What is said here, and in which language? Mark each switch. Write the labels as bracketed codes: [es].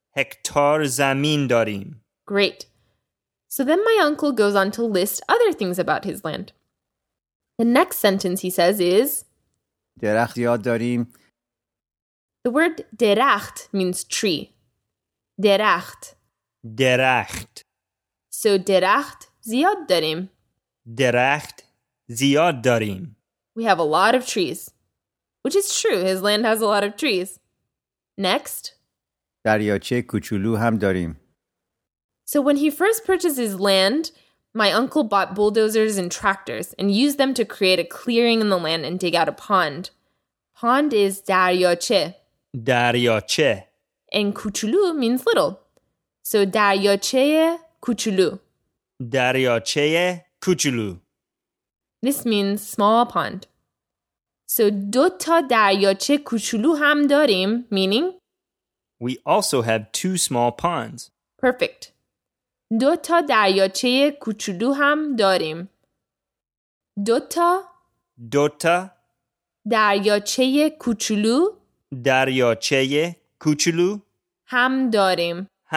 [fa] Hektar zamin darim. [en] Great. So then my uncle goes on to list other things about his land. The next sentence he says is [fa] درخت یاد داریم. [en] The word درخت means tree. [fa] درخت. درخت. So درخت زیاد داریم. درخت زیاد داریم. [en] We have a lot of trees. Which is true, his land has a lot of trees. Next. [fa] دریاچه کوچولو هم داریم. [en] So when he first purchases land, my uncle bought bulldozers and tractors and used them to create a clearing in the land and dig out a pond. Pond is daryoche. [fa] Daryoche. [en] And kuchulu means little. [fa] So daryoche kuchulu. Daryoche kuchulu. [en] This means small pond. So [fa] dota daryoche kuchulu ham darim, [en] meaning? We also have two small ponds. Perfect. [fa] دو تا دریاچه کوچولو هم داریم. دو تا دریاچه کوچولو هم داریم.